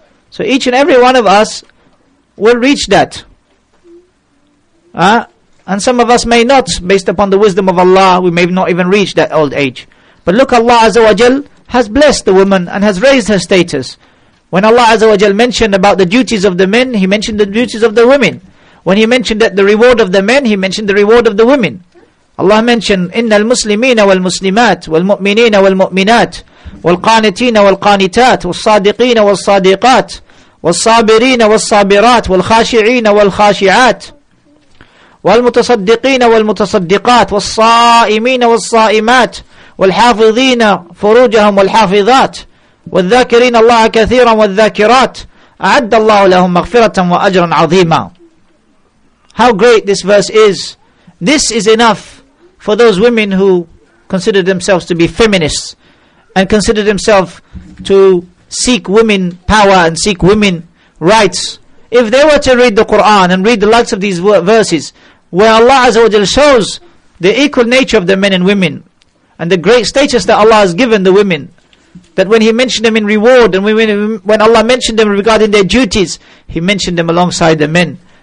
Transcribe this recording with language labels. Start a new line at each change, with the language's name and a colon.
English: So each and every one of us will reach that. And some of us may not, based upon the wisdom of Allah, we may not even reach that old age. But look, Allah Azza wa Jal has blessed the woman and has raised her status. When Allah Azza wa Jal mentioned about the duties of the men, He mentioned the duties of the women. When He mentioned that the reward of the men, He mentioned the reward of the women. Allah mentioned,
Arabic: إِنَّ الْمُسْلِمِينَ وَالْمُسْلِمَاتِ وَالْمُؤْمِنِينَ وَالْمُؤْمِنَاتِ والقانتين والقانتات والصادقين والصادقات والصابرين والصابرات والخاشعين والخاشعات والمتصدقين والمتصدقات والصائمين والصائمات والحافظين فروجهم والحافظات والذاكرين الله كثيرا والذاكرات أعد الله لهم مغفرة وأجرا عظيما.
English: How great this verse is. This is enough for those women who consider themselves to be feminists and consider themselves to seek women power and seek women rights. If they were to read the Quran and read the likes of these verses, where Allah Azza wa Jalla shows the equal nature of the men and women, and the great status that Allah has given the women, that when He mentioned them in reward, and when Allah mentioned them regarding their duties, He mentioned them alongside the men.